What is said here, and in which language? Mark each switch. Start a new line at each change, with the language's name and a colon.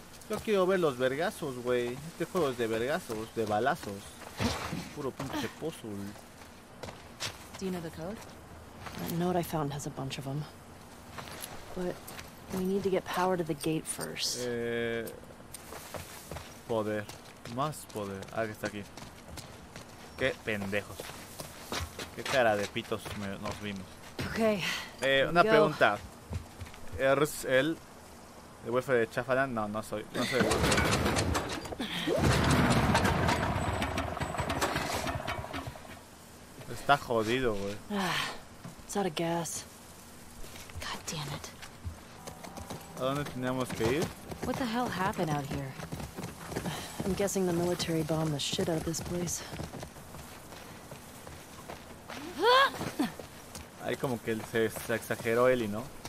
Spanish: Yo quiero ver los vergazos, güey. Este juego es de vergazos, de balazos. Puro pinche puzzle.
English: Do you know the code? That note I found has a bunch of them. But we need to get power to the gate first.
Spanish: Poder. Más poder. Ah, que está aquí. Qué pendejos. Qué cara de pitos nos vimos.
English: Okay.
Spanish: Una pregunta. ¿Eres el huefe de Chafalan? No, no soy. No soy el huefe. Está jodido, güey.
English: It's out of gas. God damn it.
Spanish: ¿A dónde teníamos que ir?
English: What the hell happened out here? I'm guessing the military bombed the shit out of this place.
Spanish: Ahí como que se exageró Ellie, ¿no?